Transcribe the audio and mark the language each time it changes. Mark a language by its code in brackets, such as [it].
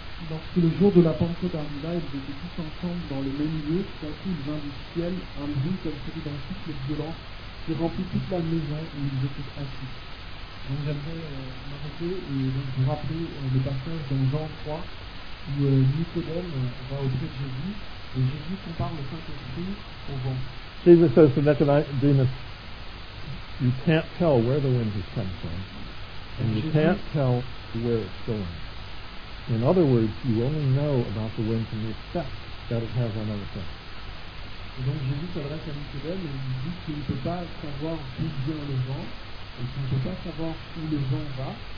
[fr] Lorsque le jour de la Pentecôte arriva, ils étaient tous ensemble dans le même lieu, tout à coup il vint du ciel, un bruit comme celui d'un souffle violent, qui remplit toute la maison où ils étaient assis. Donc j'aimerais m'arrêter et donc vous rappeler le passage dans Jean 3, où Nicodème va auprès de Jésus, et Jésus compare le Saint-Esprit au vent. [en] Jesus says to Nicodemus, you can't tell where the wind has come from, and you can't tell where it's going. In other words, you only know about the wind from the effect that it has on other things. [fr] Et donc Jésus s'adresse à Nicodème et lui dit qu'il ne peut pas savoir d'où vient le vent, et qu'il ne peut pas savoir où le vent va.